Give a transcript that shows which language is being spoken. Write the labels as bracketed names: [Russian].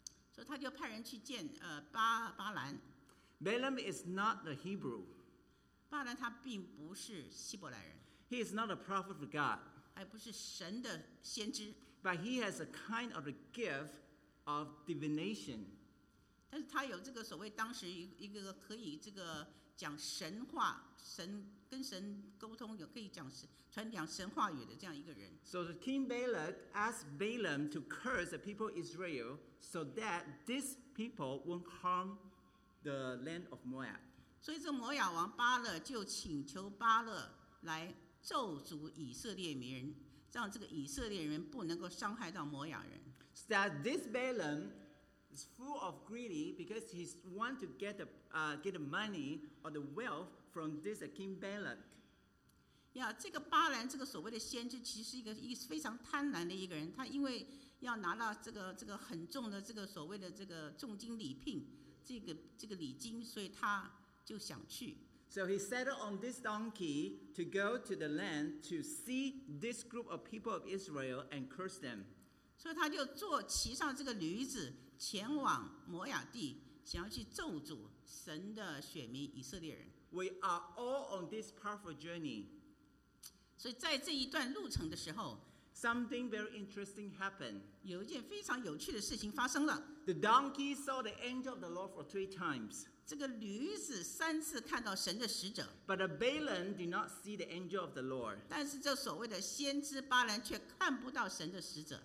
[Chinese] 所以他就派人去见巴兰。 [English] Balaam is not the Hebrew. [Chinese] 巴兰他并不是希伯来人。 [English] He is not a prophet of God. [Chinese] 还不是神的先知。 [English] But he has a kind of a gift of divination. [Chinese] 但是他有这个所谓当时一个可以这个讲神话，神跟神沟通，有可以讲神传讲神话语的这样一个人。 [English] So the king Balak asked Balaam to curse the people of Israel so that these people won't harm the land of Moab. [Chinese] 所以这摩亚王巴勒就请求巴勒来。咒诅以色列民，让这个以色列人不能够伤害到摩亚人。 [English] That this Balaam is full of greedy because he wants to get the money or the wealth from this King Balak. [Chinese] Yeah, 这个巴兰这个所谓的先知其实是一个非常贪婪的一个人，他因为要拿到这个很重的这个所谓的这个重金礼聘，这个礼金，所以他就想去。 [English] So he saddled on this donkey to go to the land to see this group of people of Israel and curse them. [Chinese] 所以他就坐骑上这个驴子，前往摩亚地，想要去咒诅神的选民以色列人。 [English] We are all on this powerful journey. [Chinese] 所以在这一段路程的时候， [English] something very interesting happened. [Chinese] 有一件非常有趣的事情发生了。 [English] The donkey saw the angel of the Lord for three times. [Chinese] 这个驴子三次看到神的使者。 [English] But Balaam did not see the angel of the Lord. [Chinese] 但是这所谓的先知巴兰却看不到神的使者。